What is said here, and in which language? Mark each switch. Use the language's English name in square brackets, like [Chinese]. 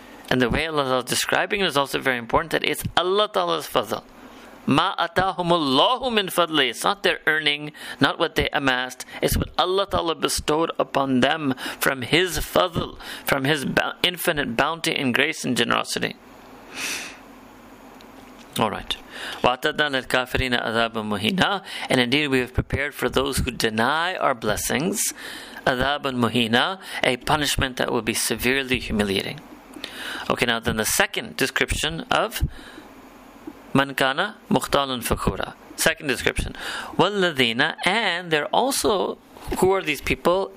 [English] And the way Allah is describing it is also very important, that it's Allah Ta'ala's fadl. [Arabic] Ma atahumullahu min fadli. [English] It's not their earning, not what they amassed. It's what Allah Ta'ala bestowed upon them from His fadl, from His infinite bounty and grace and generosity. Alright. [Arabic] وَعَتَدْنَا لِلْكَافِرِينَ أَذَابًا مُهِينًا. [English] And indeed we have prepared for those who deny our blessings, [Arabic] أَذَابًا مُهِينًا, [English] a punishment that will be severely humiliating. Okay, now then the second description of [Arabic] مَنْ كَانَ مُخْتَالٌ فَكُورًا. [English] Second description. وَالَّذِينَ, and they're also, who are these people?